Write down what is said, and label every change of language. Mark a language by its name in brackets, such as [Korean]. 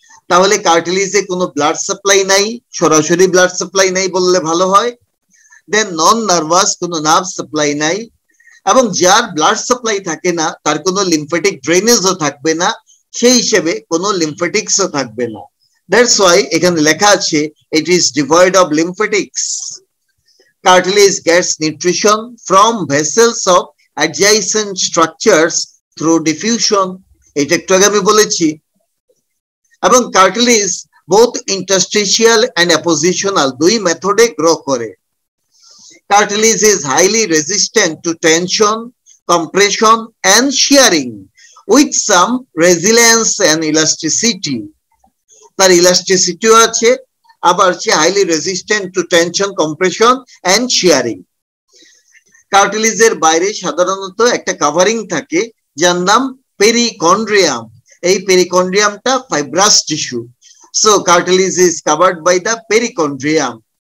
[Bangla] তাহলে কার্টিলেজে কোনো blood supply নাই, সরাসরি ব্লাড সাপ্লাই নাই বললে ভালো হয়। দেন নন নার্ভাস, কোনো নার্ভ সাপ্লাই নাই, এবং যার ব্লাড সাপ্লাই থাকে না তার কোনো লিম্ফেটিক ড্রেনেজও থাকবে না, সেই হিসেবে কোনো লিম্ফেটিক্সও থাকবে না। [English] That's why [Bangla] এখানে লেখা আছে [English] it is devoid of lymphatics. Cartilage gets nutrition from vessels of adjacent structures through diffusion. [Bangla] এটা একটু আগে আমি বলেছি। [English] এবং cartilage both interstitial and appositional [Bangla] দুই মেথডে গ্রো করে। [English] Cartilage is highly resistant to tension, compression and shearing with some resilience and elasticity. [Bangla] তার ইলাস্টিসিটিও আছে আবার হচ্ছে [English] Highly resistant to tension compression and shearing. [Bangla] কার্টিলিজের বাইরে সাধারণত একটা কাভারিং থাকে যার নাম পেরিকন্ড্রিয়াম। এই পেরিকন্ড্রিয়ামটা fibrous tissue, [English] So cartilage is covered by the perichondrium.